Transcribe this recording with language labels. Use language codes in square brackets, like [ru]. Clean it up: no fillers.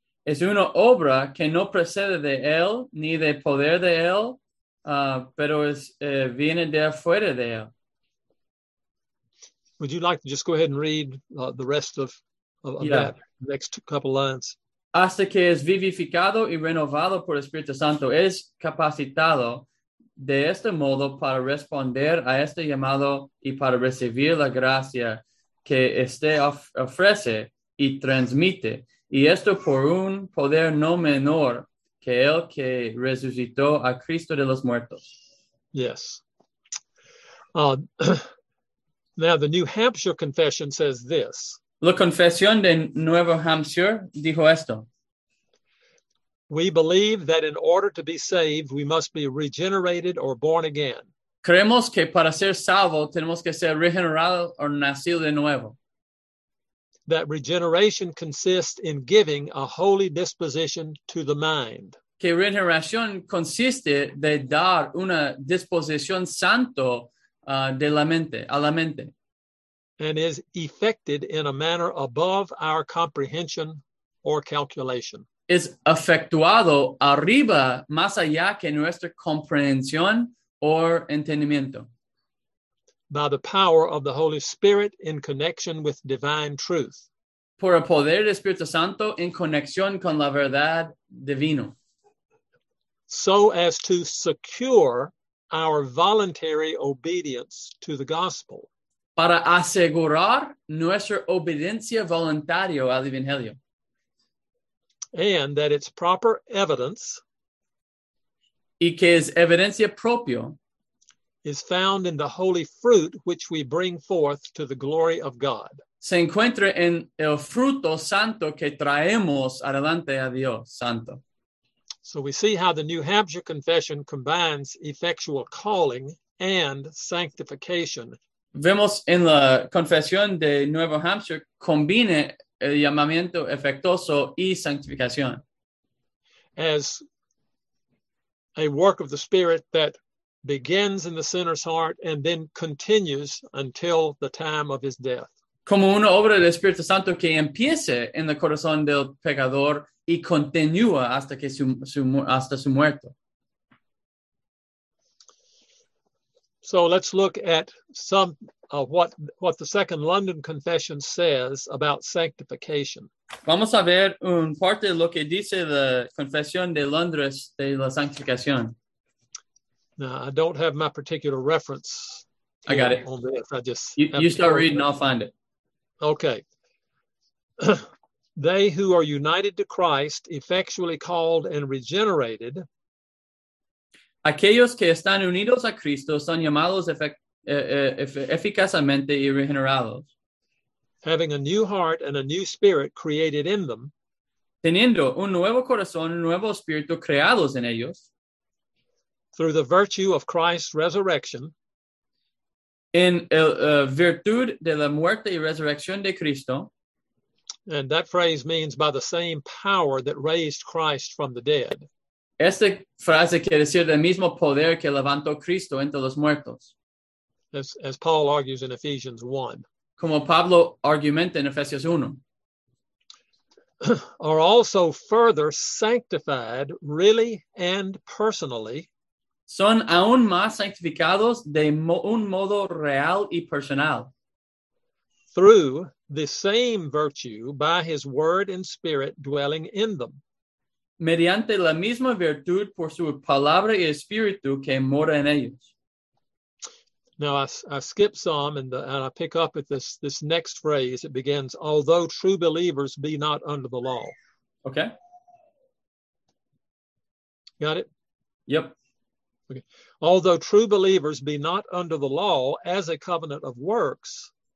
[es] Es una obra que no procede de él, ni de poder de él, pero es viene de afuera de él. [en] Would you like to just go ahead and read the rest of that, next couple lines? [es] Hasta que es vivificado y renovado por el Espíritu Santo, es capacitado de este modo para responder a este llamado y para recibir la gracia que este ofrece y transmite. Y esto por un poder no menor que el que resucitó a Cristo de los muertos. [en] Yes. Now, the New Hampshire Confession says this. [es] La Confesión de Nuevo Hampshire dijo esto. [en] We believe that in order to be saved, we must be regenerated or born again. [es] Creemos que para ser salvo, tenemos que ser regenerado o nacido de nuevo. [en] That regeneration consists in giving a holy disposition to the mind. [es] Que regeneración consiste de dar una disposición santo de la mente, a la mente. [en] And is effected in a manner above our comprehension or calculation. [es] Es efectuado arriba, más allá que nuestra comprensión o entendimiento. [en] By the power of the Holy Spirit in connection with divine truth. [es] Por el poder del Espíritu Santo en conexión con la verdad divina. [en] So as to secure our voluntary obedience to the gospel. [es] Para asegurar nuestra obediencia voluntaria al Evangelio. [en] And that it's proper evidence. [es] Y que es evidencia propio. [en] Is found in the holy fruit which we bring forth to the glory of God. [es] Se encuentra en el fruto santo que traemos adelante a Dios santo. [en] So we see how the New Hampshire Confession combines effectual calling and sanctification. [es] Vemos en la Confesión de Nuevo Hampshire combina el llamamiento efectuoso y santificación. [en] As a work of the Spirit that begins in the sinner's heart and then continues until the time of his death. [es] Como una obra del Espíritu Santo que empieza en el corazón del pecador y continúa hasta que su muerto. [en] So let's look at some of what the Second London Confession says about sanctification. [es] Vamos a ver un parte de lo que dice la Confesión de Londres de la Santificación. [en] Now, I don't have my particular reference. I got it. On this. I just you start reading, I'll find it. Okay. They who are united to Christ, effectually called and regenerated. [es] Aquellos que están unidos a Cristo son llamados eficazmente y regenerados. [en] Having a new heart and a new spirit created in them. [es] teniendo un nuevo corazón, un nuevo espíritu creados en ellos, [en] through the virtue of Christ's resurrection, [es] en el virtud de la muerte y resurrección de Cristo, [en] and that phrase means by the same power that raised Christ from the dead. [es] Esta frase quiere decir del mismo poder que levantó Cristo entre los muertos. [en] As Paul argues in Ephesians 1. [es] Como Pablo argumenta en Efesios 1. [en] Are also further sanctified, really and personally. [es] Son aún más sanctificados de un modo real y personal. [en] Through the same virtue by his word and spirit dwelling in them. [es] Mediante la misma virtud por su palabra y espíritu que mora en ellos. [en] Now I skip some and I pick up at this next phrase. It begins, although true believers be not under the law. Okay. Got it? Yep. Okay. Although true believers be not under the law as a covenant of works.